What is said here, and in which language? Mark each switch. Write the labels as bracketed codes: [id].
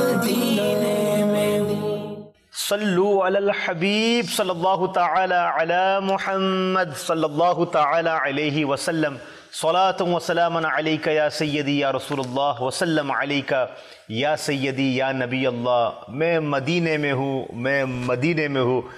[ar] صلوا علی الحبیب صلی اللہ تعالی علی محمد صلی اللہ تعالی علیہ وسلم. صلاتم وسلاما عليك يا سيدي يا رسول الله وسلم عليك يا سيدي يا نبي الله. [ur] میں مدینے میں ہوں, میں مدینے میں ہوں.